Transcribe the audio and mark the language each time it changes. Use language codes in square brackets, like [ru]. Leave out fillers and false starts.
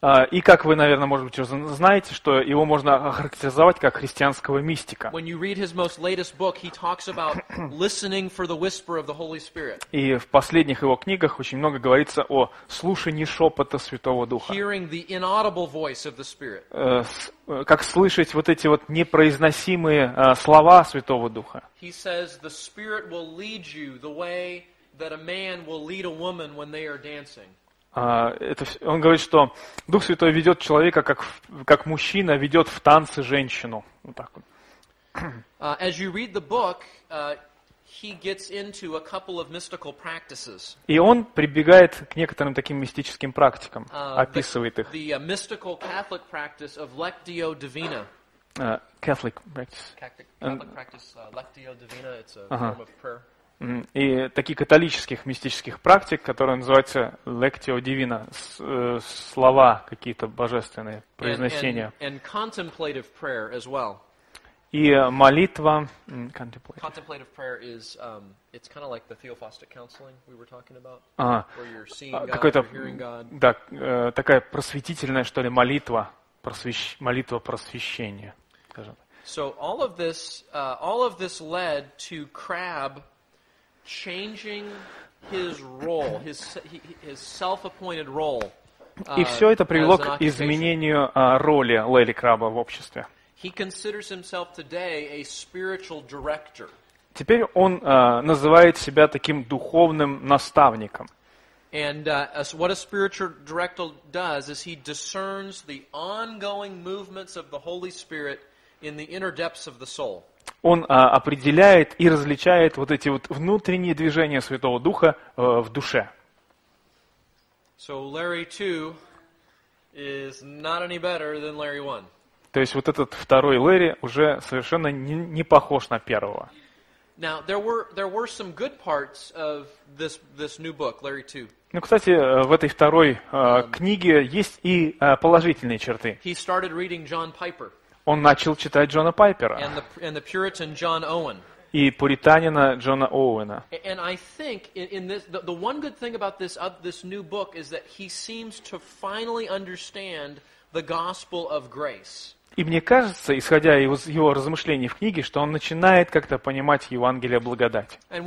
[ru] И как вы, наверное, может быть, уже знаете, что его можно охарактеризовать как христианского мистика. [en] When you read his most latest book, he talks about listening for the whisper of the Holy Spirit. [ru] И в последних его книгах очень много говорится о слушании шепота Святого Духа. [en] Hearing the inaudible voice of the Spirit. [ru] Как слышать вот эти вот непроизносимые слова Святого Духа. [en] He says the Spirit will lead you the way that a man will lead a woman when they are dancing. [ru] Он говорит, что Дух Святой ведет человека, как мужчина ведет в танцы женщину. Вот так вот. [en] As you read the book, he gets into a couple of mystical practices. [ru] И он прибегает к некоторым таким мистическим практикам, описывает их. [en] The mystical Catholic practice of Lectio Divina. Catholic practice. Catholic practice, Lectio Divina, it's a form of prayer. [ru] И таких католических мистических практик, которые называются Lectio Divina, слова какие-то божественные, произношения. [en] And contemplative prayer as well. [ru] И молитва. [en] Contemplative prayer is it's kind of like the theophostic counseling we were talking about. Where you're seeing God, [ru] какой-то, [en] you're hearing God. [ru] Да, такая просветительная, что ли, молитва, молитва просвещения, скажем. [en] So all of this led to Crabb changing his role, his self-appointed role. [ru] И все это привело к изменению роли Лэри Краба в обществе. [en] He considers himself today a spiritual director. [ru] теперь он называет себя таким духовным наставником. [en] And what a spiritual director does is he discerns the ongoing movements of the Holy Spirit in the inner depths of the soul. [ru] Он определяет и различает вот эти вот внутренние движения Святого Духа в душе. [en] So Larry 2 is not any better than Larry 1. [ru] То есть вот этот второй Лэри уже совершенно не похож на первого. [en] Now there were some good parts of this new book, Larry 2. [ru] Ну, кстати, в этой второй книге есть и положительные черты. [en] He started reading John Piper. [ru] Он начал читать Джона Пайпера. [en] And the Puritan John Owen. [ru] И пуританина Джона Оуэна. [en] And I think in this the one good thing about this new book is that he seems to finally understand the gospel of grace. [ru] И мне кажется, исходя из его размышлений в книге, что он начинает как-то понимать Евангелие благодати.